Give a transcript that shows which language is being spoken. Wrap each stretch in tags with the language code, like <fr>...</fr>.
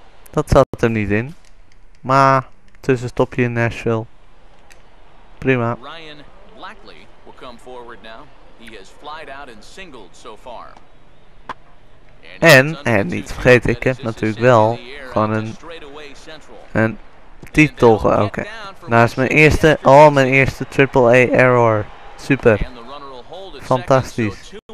<nl>Dat zat er niet in, maar tussenstopje in Nashville, prima.</nl> <en>Ryan Blackley will come forward now. He has flied out and singled so far.</en> <nl>En niet vergeten, ik heb natuurlijk wel gewoon een titel. Oké, okay. Naast mijn eerste triple A error. Super. Fantastisch.</nl>